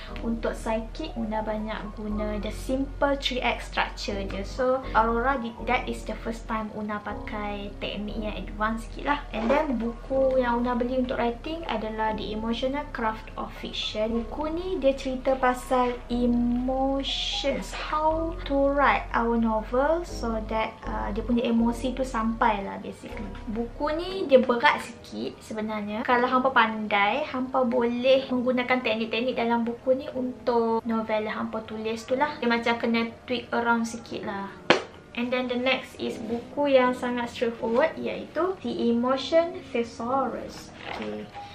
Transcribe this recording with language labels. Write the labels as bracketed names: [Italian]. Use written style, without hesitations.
[Malay] Untuk psychic, Una banyak guna [English] the simple 3X structure [Malay] je. So, Aurora, [English] that is the first time [Malay] Una pakai teknik yang advance sikit lah. [English] And then, [Malay] buku yang Una beli untuk writing adalah The Emotional Craft of Fiction. Buku ni, dia cerita pasal emotions. [English] How to write our novel so that [Malay] dia punya emosi tu sampai lah [English] basically. [Malay] Buku ni, dia berat sikit sebenarnya. Kalau hampa pandai, hampa boleh menggunakan teknik-teknik dalam buku ni untuk novel hampa tulis tu lah. Dia macam kena [English] tweak around [Malay] sikit lah. [English] And then the next is [Malay] buku yang sangat straightforward, iaitu The Emotion Thesaurus. Okay.